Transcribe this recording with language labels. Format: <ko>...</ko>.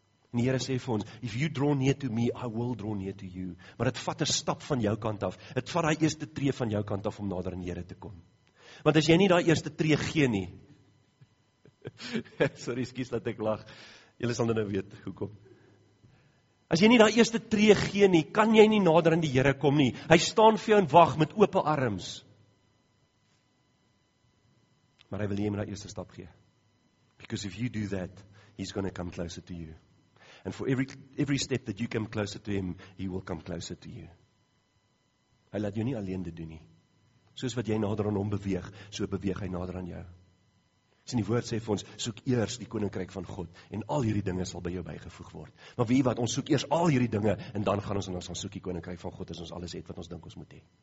<af>En die Here sê vir ons,</af> <en>if you draw near to me, I will draw near to you.</en> <af>Maar het vat 'n stap van jou kant af. Het vat die eerste tree van jou kant af om nader aan die Here te kom. Want as jy nie die eerste tree gee nie, sorry, skies dat ek lag, julle sal nou weet hoekom. As jy nie die eerste tree gee nie, kan jy nie nader aan die Here kom nie. Hy staan vir jou en wag met oop arms. Maar hy wil jy met die eerste stap gee.</af> <en>Because if you do that, he's going to come closer to you. And for every step that you come closer to him, he will come closer to you.</en> <af>Hy laat jou nie alleen dit doen nie. Soos wat jy nader aan hom beweeg, so beweeg hy nader aan jou. Sien, die woord sê vir ons, soek eers die koninkryk van God, en al hierdie dinge sal by jou bygevoeg word. Maar weet wat, ons soek eers al hierdie dinge, en dan gaan ons en ons gaan soek die koninkryk van God, as ons alles het wat ons dink ons moet hê.</af>